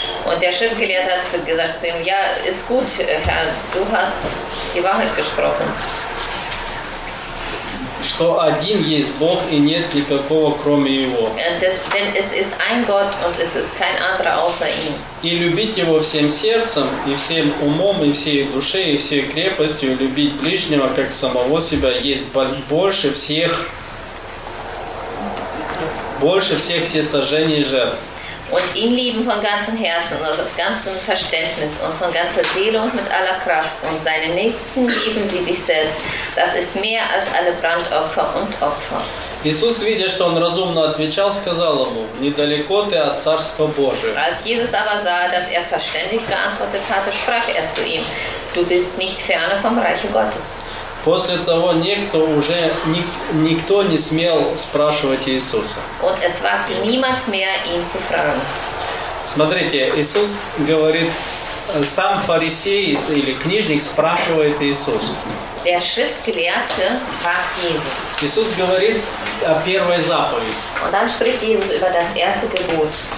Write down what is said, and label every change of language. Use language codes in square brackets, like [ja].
[de] Und der Schriftgelehrte hat gesagt zu ihm, ja, ist gut, Herr, du hast die Wahrheit gesprochen. [ru] Что один есть Бог и нет никакого кроме Его. [de] Denn es ist ein Gott und es ist kein anderer außer ihm. [ru] И любить Его всем сердцем и всем умом и всей душой и всей крепостью, любить ближнего как самого себя, есть больше всех всесожжений и жертв. [de] Und ihn lieben von ganzem Herzen und aus ganzem Verständnis und von ganzer Seele und mit aller Kraft und seine Nächsten lieben wie sich selbst. Das ist mehr als alle Brandopfer und Opfer. [ru] Jesus, видя, что он разумно отвечал, сказал ему, недалеко ты от Царства Божия. [de] Als Jesus aber sah, dass er verständlich geantwortet hatte, sprach er zu ihm, du bist nicht ferne vom Reich Gottes. [ru] После того никто уже никто не смел спрашивать Иисуса. [de] Und es wagte niemand mehr ihn zu fragen. [ru] Смотрите, Иисус говорит, сам фарисей или книжник спрашивает Иисуса. [de] Der Schriftgelehrte fragt Jesus. [ru] Иисус говорит о первой заповеди. [de] Und dann spricht Jesus über das erste Gebot.